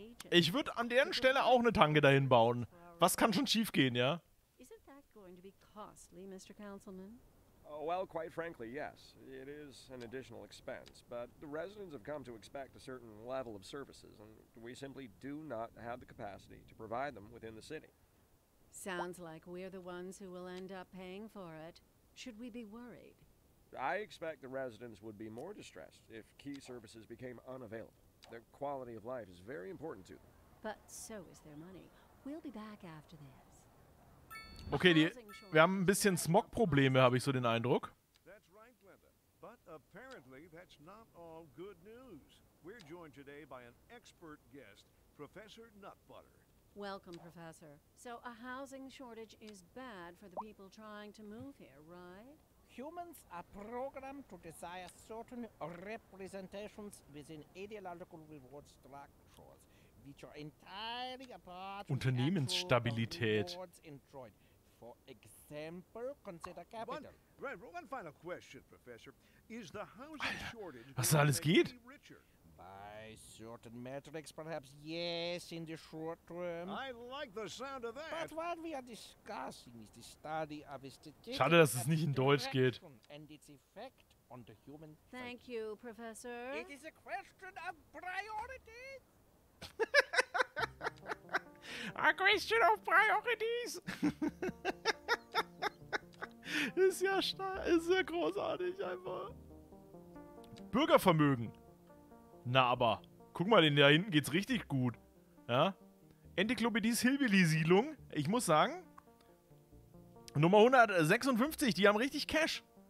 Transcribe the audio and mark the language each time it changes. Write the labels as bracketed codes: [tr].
[de] Ich würde an deren Stelle auch eine Tanke dahin bauen. Was kann schon schief gehen, ja? [en] Isn't that going to be costly, Mr. Councilman? Oh, well, quite frankly, yes. It is an additional expense, but the residents have come to expect a certain level of services and we simply do not have the capacity to provide them within the city. Sounds like we're the ones who will end up paying for it. Should we be worried? I expect the residents would be more distressed if key services became unavailable. Their quality of life is very important to them. But so is their money. We'll be back after this. [de] Okay, wir haben ein bisschen Smog-Probleme, habe ich so den Eindruck. [en] That's right, Glenda. But apparently that's not all good news. We're joined today by an expert guest, Professor Nutbutter. Welcome, Professor. So a housing shortage is bad for the people trying to move here, right? Humans are programmed to desire certain representations within ideological reward structures, which are entirely apart from the actual rewards enjoyed. For example, consider capital. One final question, Professor. Is the housing shortage going to be richer? By certain metrics, perhaps yes, in the short term. I like the sound of that. But what we are discussing is the study of a statistic. [de] Schade, dass es nicht in Deutsch geht. [en] And its effect on the human. Thank you, Professor. It is a question of priorities. A question of priorities. [de] Ist ja stark, ist sehr großartig einfach. Bürgervermögen. Na aber, guck mal, denn da hinten geht's richtig gut. Ja? Enteklopädies Hillbilly-Siedlung. Ich muss sagen, Nummer 156, die haben richtig Cash.